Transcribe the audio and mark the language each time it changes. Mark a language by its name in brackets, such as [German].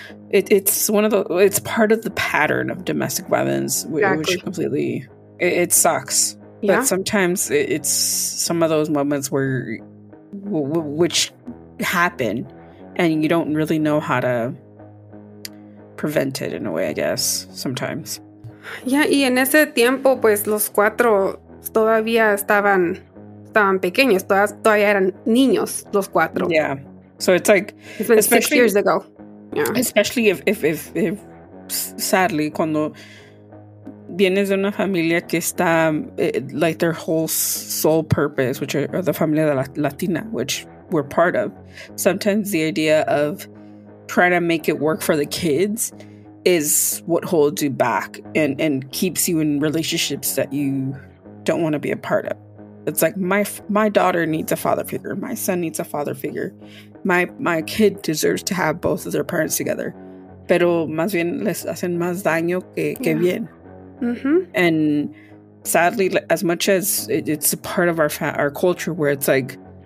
[English] It's part of the pattern of domestic violence, which completely, it sucks. Yeah. But sometimes it's some of those moments where, which happen, and you don't really know how to prevent it in a way, I guess, sometimes. [Spanish] Yeah, y en ese tiempo, pues, los cuatro todavía estaban... Estaban pequeños, todavía eran niños, los cuatro. [English] Yeah. So it's like... It's been 6 years ago. Yeah. Especially if sadly, [Spanish] cuando vienes de una familia que está... [English] like, their whole sole purpose, which are the [Spanish] familia latina, [English] which we're part of. Sometimes the idea of trying to make it work for the kids is what holds you back and keeps you in relationships that you don't want to be a part of. It's like, my daughter needs a father figure. My son needs a father figure. My kid deserves to have both of their parents together. [Spanish] Pero más bien les hacen más daño que bien. Mm-hmm. [English] And sadly, as much as it's a part of our culture where it's like,